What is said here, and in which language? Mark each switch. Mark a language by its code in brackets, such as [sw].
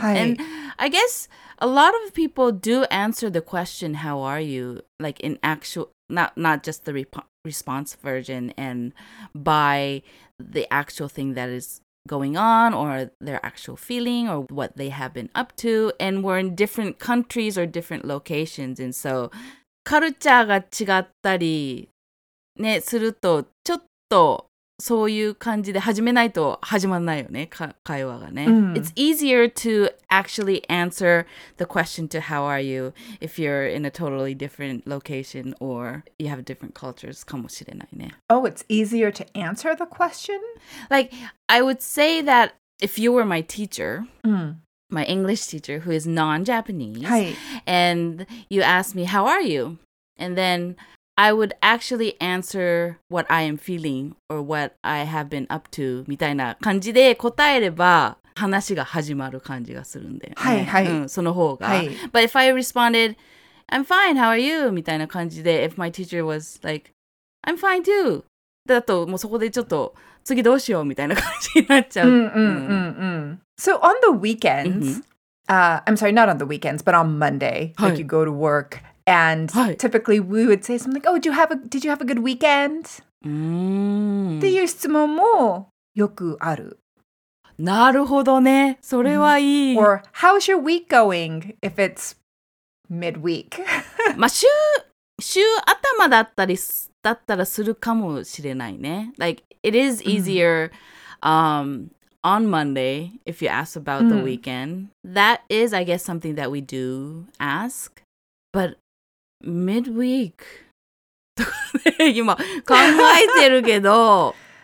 [en] And I guess a lot of people do answer the question, how are you? Like, in actual, not just the response version and by the actual thing that is going on or their actual feeling or what they have been up to. And we're in different countries or different locations. And so, [ja] カルチャーが違ったりね、するとちょっとそういう感じで始めないと始まんないよね、会話がね。 [en] It's easier to actually answer the question to how are you if you're in a totally different location or you have different cultures [ja] かもしれないね。 [en] Oh, it's easier to answer the question? Like, I would say that if you were my teacher, my English teacher who is non-Japanese, and you asked me, how are you? And then I would actually answer what I am feeling or what I have been up to [ja] みたいな感じで答えれば話が始まる感じがするんで。はいはい。その方が。 [en] But if I responded, I'm fine, how are you? [ja] みたいな感じで [en] if my teacher was like, I'm fine too. [ja] だともうそこでちょっと次どうしようみたいな感じになっちゃう。 [en] So on the weekends, I'm sorry, not on the weekends, but on Monday, like you go to work,And typically we would say something like, oh, did you have a good weekend? [ja] っていう質問もよくある。なるほどね。それはいい。 [en] Or how's your week going if it's midweek? [ja] まあ週頭だったらするかもしれないね。 [en] Like, it is easier on Monday if you ask about the weekend. That is, I guess, something that we do ask. ButMidweek. [ja] 今考えてるけど、